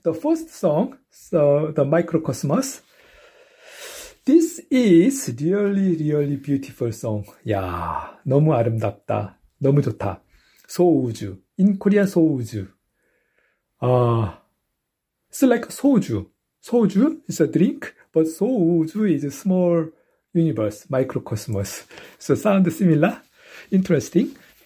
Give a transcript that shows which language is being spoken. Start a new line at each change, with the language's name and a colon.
English: The first song, so the Microcosmos. This is really, really beautiful song.
Korean: Yeah, 너무 아름답다. 너무 좋다. 소우주.
English: In Korean, 소우주. It's like 소주. 소주 is a drink, but 소우주 is a small universe, microcosmos. So sound similar. Interesting.